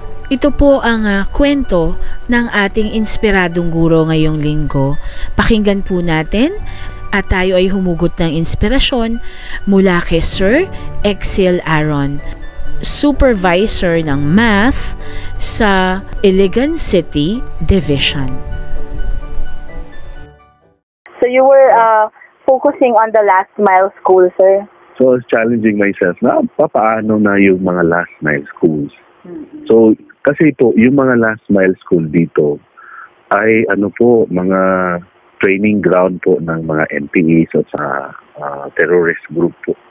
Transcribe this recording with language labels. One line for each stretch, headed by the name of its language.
Filipino: Ito po ang kwento ng ating Inspiradong Guro ngayong linggo. Pakinggan po natin at tayo ay humugot ng inspirasyon mula kay Sir Exquil Aron, Supervisor ng Math sa Iligan City Division.
English: So you were focusing on the last mile school, sir? So I was challenging myself
Filipino: na paano na yung mga
English: last mile schools.
Filipino: So kasi po yung mga last mile school dito ay ano po, mga training ground po ng mga MPEs o sa terrorist group po.